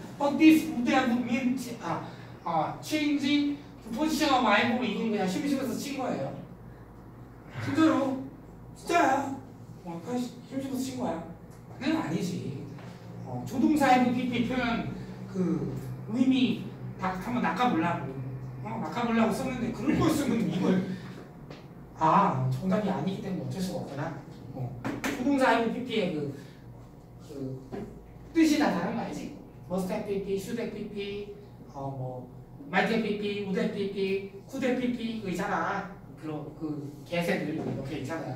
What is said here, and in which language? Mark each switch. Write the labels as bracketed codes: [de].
[en] But this would have mean changing the position of my body. [ko] 이건 그냥 심심해서 친 거예요. 진짜로? 진짜야? 어, 심심해서 친 거야? 그건 아니지. 어, 조동사의 PPP 표현 그 의미 다 한번 낚아보려고. 어, 낚아보려고 썼는데 그런 거 쓰면 이걸 아 정답이 아니기 때문에 어쩔 수가 없구나. 어, 조동사의 PPP의 그 뜻이 다 다른 거 알지? [en] Must have PP, should have PP, 어, 뭐, might have PP, would have PP, could have PP, [ko] 그 있잖아. 그런, 그, 개새들, 이렇게 있잖아.